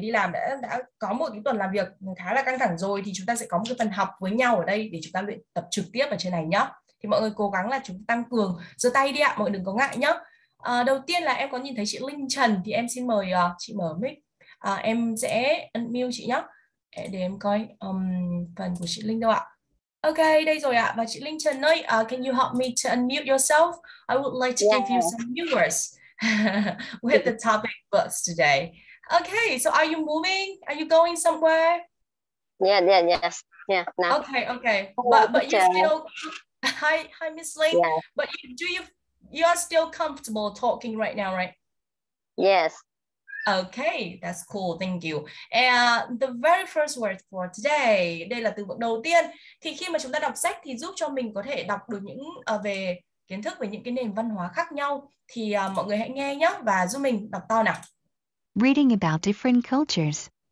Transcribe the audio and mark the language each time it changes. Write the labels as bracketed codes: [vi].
[vi] Người đi làm đã có một cái tuần làm việc khá là căng thẳng rồi thì chúng ta sẽ có một cái phần học với nhau ở đây để chúng ta luyện tập trực tiếp ở trên này nhá. Thì mọi người cố gắng là chúng tăng cường giơ tay đi ạ, mọi người đừng có ngại nhá. Đầu tiên là em có nhìn thấy chị Linh Trần thì em xin mời chị mở mic. Em sẽ unmute chị nhé. Để em coi phần của chị Linh đâu ạ. [en] Ok, [vi] đây rồi ạ. Và chị Linh Trần ơi, [en] can you help me to unmute yourself? I would like to give you some new words with the topic books today. Okay, so are you moving? Are you going somewhere? Yeah, now. Okay. But you still hi Miss Linh. Yeah. But you are still comfortable talking right now, right? Yes. Okay, that's cool. Thank you. And the very first word for today, [vi] đây là từ vựng đầu tiên. Thì khi mà chúng ta đọc sách thì giúp cho mình có thể đọc được những về kiến thức về những cái nền văn hóa khác nhau. Thì mọi người hãy nghe nhé và giúp mình đọc to nào. [en] Reading about different cultures.